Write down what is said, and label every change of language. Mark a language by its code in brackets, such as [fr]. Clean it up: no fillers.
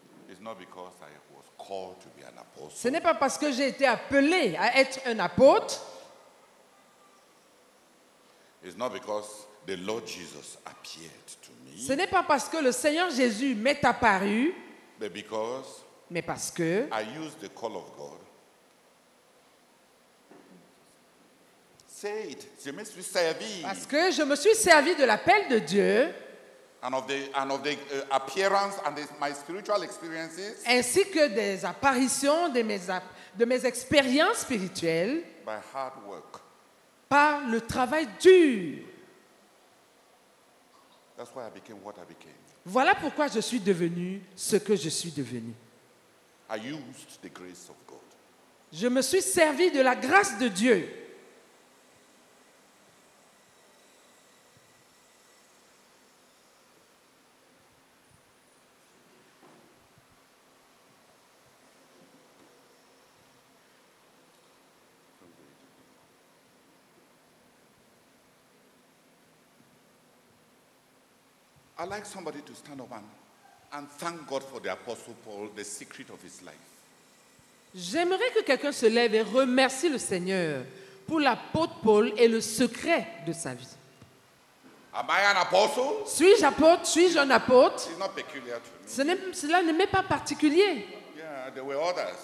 [en] It's not because I was called to be an apostle. [fr] Ce n'est pas parce que j'ai été appelé à être un apôtre. [en] It's not because the Lord Jesus appeared to me. [fr] Ce n'est pas parce que le Seigneur Jésus m'est apparu. [en] But because [fr] mais parce que [en] I use the call of God. Say it. [fr] Je me suis servi. Parce que je me suis servi de l'appel de Dieu. [en] And of the appearance and my spiritual experiences. [fr] Ainsi que des apparitions de mes expériences spirituelles. [en] By hard work. [fr] Par le travail dur. [en] That's why I became what I became. [fr] Voilà pourquoi je suis devenu ce que je suis devenu. [en] I used the grace of God. [fr] Je me suis servi de la grâce de Dieu. [en] I like somebody to stand up and thank God for the Apostle Paul, the secret of his life. [fr] J'aimerais que quelqu'un se lève et remercie le Seigneur pour l'apôtre Paul et le secret de sa vie. [en] Am I an apostle? [fr] Suis-je apôtre? Suis-je un apôtre? [en] It's not peculiar to me. [fr] Cela ne m'est pas particulier. [en] Yeah, there were others.